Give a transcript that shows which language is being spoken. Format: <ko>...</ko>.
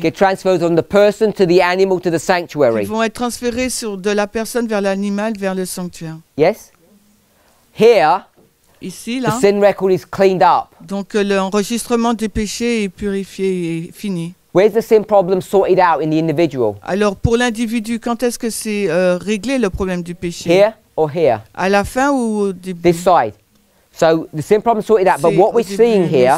<en>Get transferred from the person to the animal to the sanctuary.</en> <fr>Ils vont être transférés sur de la personne vers l'animal vers le sanctuaire.</fr> <en>Yes. Here.</en> <fr>Ici là.</fr> <en>The sin record is cleaned up.</en> <fr>Donc l'enregistrement des péchés est purifié et fini.</fr> <en>Where's the sin problem sorted out in the individual?</en> <fr>Alors pour l'individu, quand est-ce que c'est réglé le problème du péché?</fr> <en>Here or here?</en> <fr>À la fin ou au début?</fr> <en>This side. So the sin problem sorted out, but what we're seeing here,</en>